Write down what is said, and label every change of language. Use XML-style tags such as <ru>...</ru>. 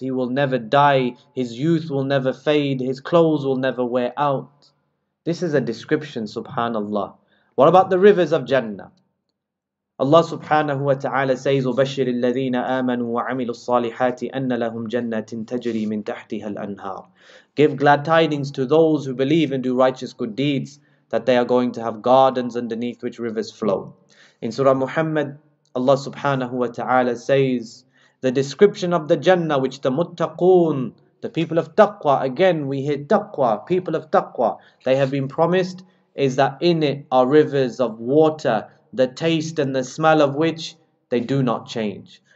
<en>He will never die. His youth will never fade. His clothes will never wear out. This is a description, subhanallah. What about the rivers of Jannah? Allah subhanahu wa ta'ala says,</en> <ar>وَبَشِّرِ الَّذِينَ آمَنُوا وَعَمِلُوا الصَّالِحَاتِ أَنَّ لَهُمْ جَنَّةٍ تَجْرِي مِنْ تَحْتِهَا الْأَنْهَارِ.</ar> <en>Give glad tidings to those who believe and do righteous good deeds, that they are going to have gardens underneath which rivers flow. In Surah Muhammad, Allah subhanahu wa ta'ala says, the description of the Jannah which the muttaqoon, the people of taqwa, again we hear taqwa, people of taqwa, they have been promised, is that in it are rivers of water, the taste and the smell of which they do not change.</en>